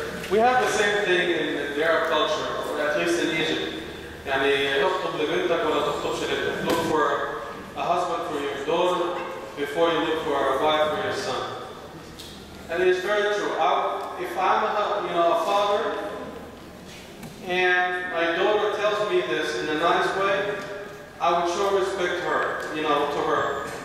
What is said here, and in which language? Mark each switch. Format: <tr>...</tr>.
<en>We have the same thing in the Arab culture, or at least in Egypt.</en> <ar>يعني تخطب لبنتك ولا تخطبش لبنتك.</ar> <en>Look for a husband for your daughter before you look for a wife for your son. And it's very true. If I'm a father and my daughter tells me this in a nice way, I would show respect to her, you know, to her.</en>